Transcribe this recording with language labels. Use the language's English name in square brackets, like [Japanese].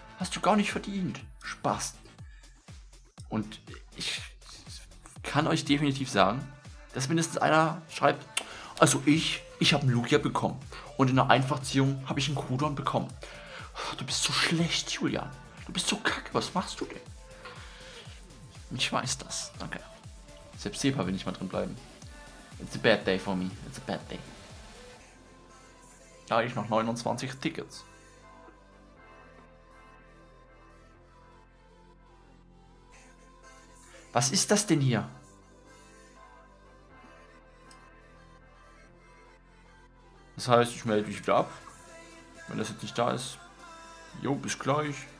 [German] Hast du gar nicht verdient. Spaß. Und ich kann euch definitiv sagen, dass mindestens einer schreibt, also ich habe einen Lugia bekommen und in der Einfachziehung habe ich einen Kudon bekommen. Du bist so schlecht, Julian. Du bist so kacke, was machst du denn? Ich weiß das, danke. Selbst Sepa will nicht mal drin bleiben. [English] It's a bad day for me, it's a bad day. [German] Da habe ich noch 29 Tickets. Was ist das denn hier? Das heißt, ich melde mich wieder ab. Wenn das jetzt nicht da ist. Jo, bis gleich.